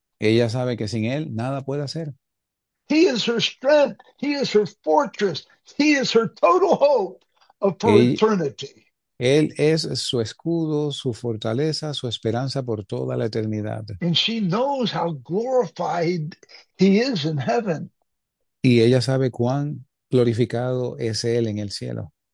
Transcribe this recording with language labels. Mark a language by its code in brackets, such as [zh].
[es] Ella sabe que sin él nada puede hacer. [en] He is her strength. He is her fortress. He is her total hope for [es] Él [en] eternity. [es] es su escudo, su fortaleza, su esperanza por toda la eternidad. [en] And she knows how glorified he is in heaven. [es] Y ella sabe cuán glorificado es Él en el cielo.